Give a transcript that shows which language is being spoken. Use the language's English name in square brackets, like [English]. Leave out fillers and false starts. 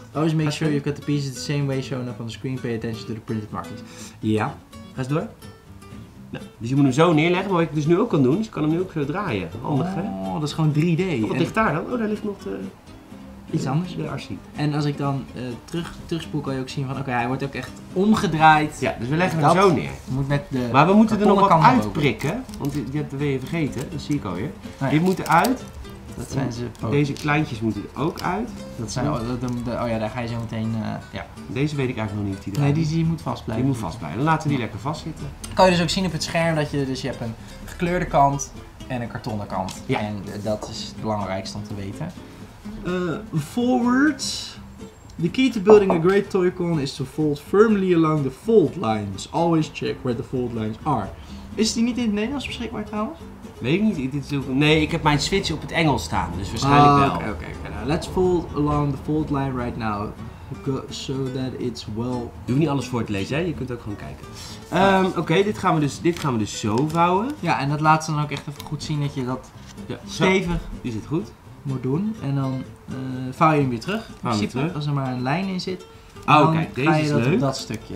[English] Always make sure you've got the pieces the same way shown up on the screen. Pay attention to the printed markings. [Dutch] Ja. Ga eens door. Nou, dus je moet hem zo neerleggen. Maar wat ik dus nu ook kan doen, is ik kan hem nu ook zo draaien. Handig, hè? Oh, dat is gewoon 3D. Wat ligt daar dan? Oh, daar ligt nog de... Iets anders. De RC. En als ik dan terugspoel, kan je ook zien van, oké, hij wordt ook echt omgedraaid. Ja, dus we leggen hem zo neer. Moet met de... Maar we moeten er nog wat uitprikken. Want die hebben we vergeten. Dat zie ik alweer. Oh, ja. Dit moet eruit. Dat zijn ze. Deze kleintjes moeten er ook uit. Dat zijn... daar ga je zo meteen... Deze weet ik eigenlijk nog niet of die eruit... Nee, die moet vastblijven. Die moet vastblijven. Dan laten we die lekker vastzitten. Kan je dus ook zien op het scherm dat je hebt een gekleurde kant en een kartonnen kant. Ja. En dat is het belangrijkste om te weten. [English] Forward. The key to building a great Toy-Con is to fold firmly along the fold lines. Always check where the fold lines are. [Dutch] Is die niet in het Nederlands beschikbaar trouwens? Weet ik niet. Nee, ik heb mijn Switch op het Engels staan, dus waarschijnlijk wel. [English] Okay. Let's fold along the fold line right now, so that it's well... [Dutch] Doe niet alles voor het lezen, hè? Je kunt ook gewoon kijken. Dit gaan we dus zo vouwen. Ja, en dat laat ze dan ook echt even goed zien dat je dat stevig is het goed moet doen. En dan vouw je hem weer terug. Vouw hem weer terug. Als er maar een lijn in zit, dan deze ga je is dat leuk. Op dat stukje.